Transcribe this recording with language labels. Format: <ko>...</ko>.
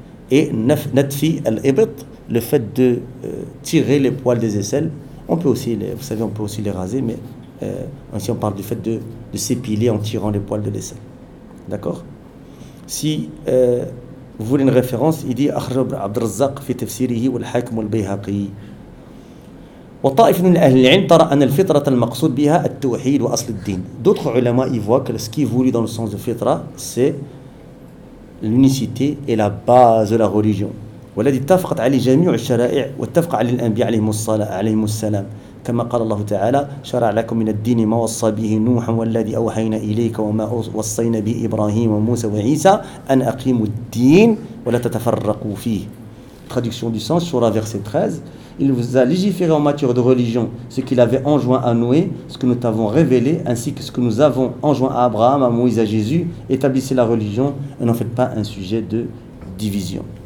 <fr>Et natfi al-ibt, le fait de tirer les poils des aisselles. On peut aussi, les raser, mais ainsi on parle du fait de s'épiler en tirant les poils de l'aisselle. D'accord. Si Vous voulez une référence? Il dit</fr> <ar>Akhraj ibn Abd al-Razzaq fi tafsirihi wal Hakim wal Bayhaqi. وطائف من أهل العلم ترى أن الفطرة المقصود بها التوحيد وأصل الدين.</ar> <fr>D'autres ulama y voient que ce qui est voulu dans le sens de fitra, c'est l'unicité et la base de la religion.</fr> <ar>والذي اتفقت عليه جميع الشرائع واتفق عليه الأنبياء عليهم الصلاة عليهم السلام. كما قال الله تعالى شرع لكم من الدين ما وصى به نوح والذي أوحينا إليك وما وصينا به إبراهيم وموسى وعيسى أن أقيموا الدين ولا تتفرقوا فيه.</ar> <fr>Traduction du sens, surah verset 13. Il vous a légiféré en matière de religion ce qu'il avait enjoint à Noé, ce que nous t'avons révélé, ainsi que ce que nous avons enjoint à Abraham, à Moïse, à Jésus. Établissez la religion et n'en faites pas un sujet de division.</fr>